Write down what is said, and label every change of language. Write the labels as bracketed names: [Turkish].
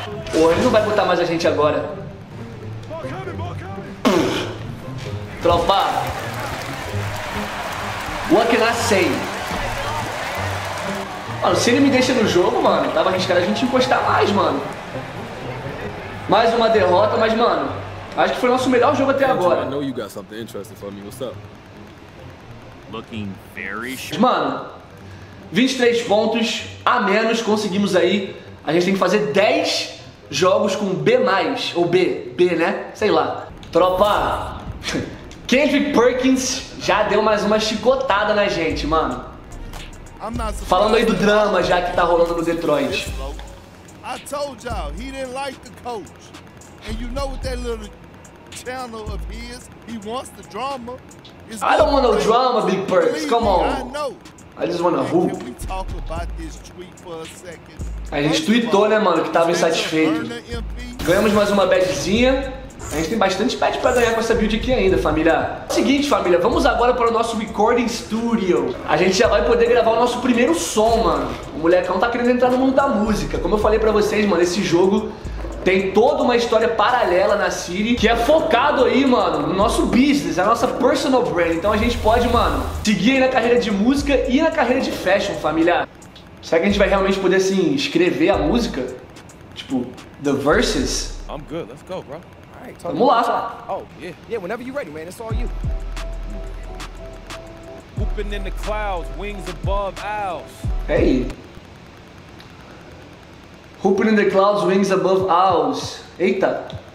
[Portuguese] Pô, ele não vai botar mais a gente agora. Tropa. [English] What can I say? [Portuguese] Mano, se ele me deixa no jogo, mano, tava arriscado a gente encostar mais, mano. Mais uma derrota, mas, mano, acho que foi o nosso melhor jogo até agora. [English] Andrew, I know you got something interesting for me. What's up? Looking very sharp. [Portuguese] Mano, 23 pontos a menos conseguimos aí. A gente tem que fazer 10 jogos com B+, ou B, B, né? Sei lá. Tropa, Kendrick Perkins já deu mais uma chicotada na gente, mano. Falando aí do drama já que tá rolando no Detroit. [English] I told y'all, he didn't like the coach. And you know what that little channel of his, he wants the drama. I don't want no drama, Big Perks, come on. I just wanna hoop. Can we talk about this tweet for a second? [Portuguese] A gente tweetou, né, mano, que tava insatisfeito. Ganhamos mais uma badzinha. A gente tem bastante pet pra ganhar com essa build aqui ainda, família. Seguinte, família, vamos agora para o nosso recording studio. A gente já vai poder gravar o nosso primeiro som, mano. O molecão tá querendo entrar no mundo da música. Como eu falei pra vocês, mano, esse jogo tem toda uma história paralela na City que é focado aí, mano, no nosso business, na nossa personal brand. Então a gente pode, mano, seguir aí na carreira de música e na carreira de fashion, família. Será que a gente vai realmente poder, assim, escrever a música? [English] Tipo, the verses? I'm good, let's go, bro. [Portuguese] Vamos lá. [English] Oh, yeah, whenever you're ready, man, it's all you. Whooping in the clouds, wings above owls. Hey. Whooping in the clouds, wings above owls. Eita.